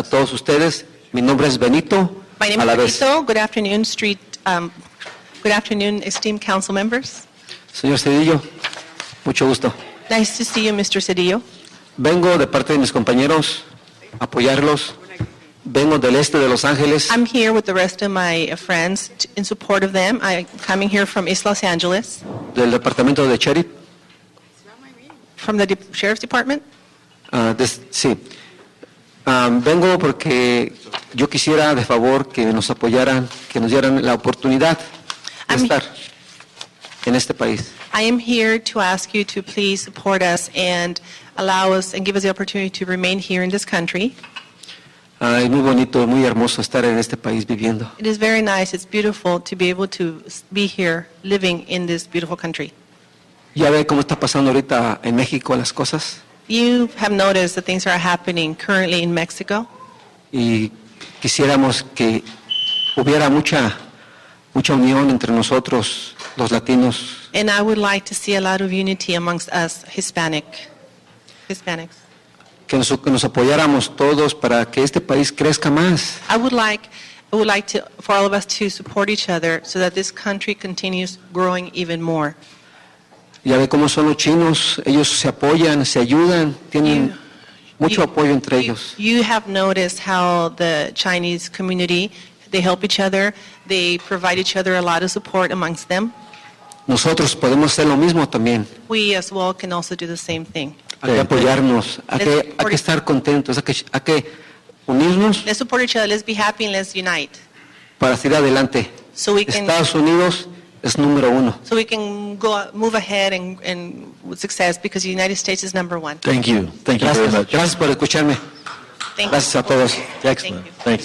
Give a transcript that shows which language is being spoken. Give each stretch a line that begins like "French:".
Spanish: A todos ustedes, mi nombre es Benito.
English: My name
Spanish: Alavés.
English: Is Benito. Good afternoon, street. Good afternoon, esteemed council members.
Spanish: Señor Cedillo, mucho gusto.
English: Nice to see you, Mr. Cedillo.
Spanish: Vengo de parte de mis compañeros a apoyarlos. Vengo del este de Los Ángeles.
English: I'm here with the rest of my friends in support of them. I'm coming here from East Los Angeles.
Spanish: Del departamento de Sheriff.
English: From the Sheriff's Department.
Spanish: Vengo porque yo quisiera de favor que nos apoyaran, que nos dieran la oportunidad de estar en este país.
English: I am here to ask you to please support us and allow us and give us the opportunity to remain here in this country.
Spanish: Es muy bonito, muy hermoso estar en este país viviendo.
English: It is very nice, it's beautiful to be able to be here living in this beautiful country.
Spanish: ¿Ya ve cómo está pasando ahorita en México las cosas?
English: You have noticed the things that are happening currently in Mexico.
Spanish: Y quisiéramos que hubiera mucha unión entre nosotros, los latinos.
English: And I would like to see a lot of unity amongst us Hispanics.
Spanish: Que nos apoyáramos todos para que este país crezca más.
English: I would like to, for all of us to support each other so that this country continues growing even more.
Spanish: Ya ve cómo son los chinos, ellos se apoyan, se ayudan, tienen apoyo entre ellos.
English: You have noticed how the Chinese community, they help each other, they provide each other a lot of support amongst them.
Spanish: Nosotros podemos hacer lo mismo también.
English: We as well can also do the same thing.
Spanish: Hay que apoyarnos, hay que estar contentos, hay que unirnos.
English: Let's support each other, let's be happy and let's unite.
Spanish: Para seguir adelante.
English: So we can,
Spanish: Estados Unidos es número uno.
English: So we can go move ahead and with success because the United States is number one. Thank you. Thank you
Spanish: gracias,
English: very much.
Spanish: Gracias por escucharme.
English: Thank
Spanish: gracias
English: you.
Spanish: A todos.
English: Excellent. Thank you.